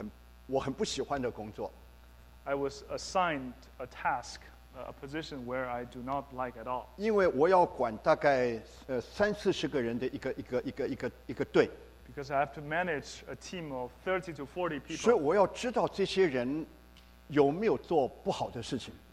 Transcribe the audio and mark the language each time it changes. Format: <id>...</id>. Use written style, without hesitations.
<zh>上面给我一个很我很不喜欢的工作。</zh> <en>I was assigned a task, a position where I do not like at all.</en> <zh>因为我要管大概三四十个人的一个队。</zh> <en>Because I have to manage a team of 30 to 40 people.</en> <zh>所以我要知道这些人有没有做不好的事情。</zh>